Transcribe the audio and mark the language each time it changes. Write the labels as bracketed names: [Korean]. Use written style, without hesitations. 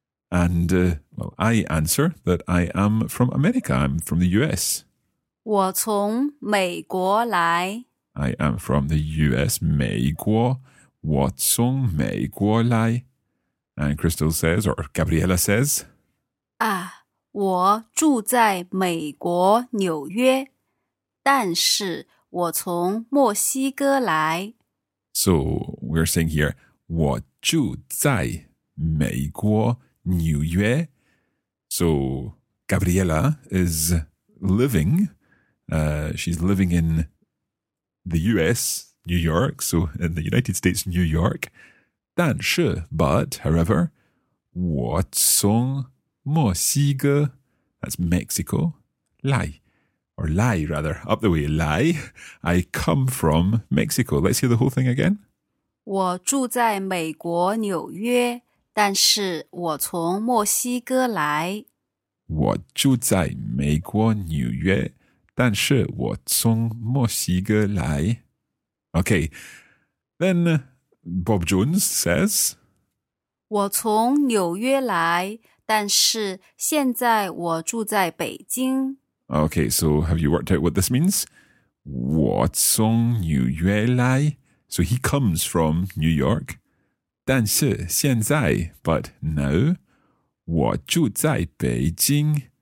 [English] And, well, I answer that I am from America. I'm from the US. [Chinese] 我从美国来。 [English] I am from the US, 美国。 [Chinese] 我从美国来。 [English] And Crystal says, or Gabriela says, [Chinese] 啊，我住在美国纽约，但是我从墨西哥来。 [English] So we're saying here, 我住在美国纽约。 So Gabriela is living, she's living in the US, New York, so in the United States, New York. 但是, but, however, 我从墨西哥, that's Mexico, 来, or 来, rather, up the way, 来, I come from Mexico. Let's hear the whole thing again. [Chinese] 我住在美国纽约,但是我从墨西哥来。我住在美国纽约,但是我从墨西哥来。 [English] Okay, then... Bob Jones says, [Chinese] 我从纽约来,但是现在我住在北京。 [English] Okay, so have you worked out what this means? [Chinese] 我从纽约来。 [English] So he comes from New York. [Chinese] 但是现在, but now, 我住在北京。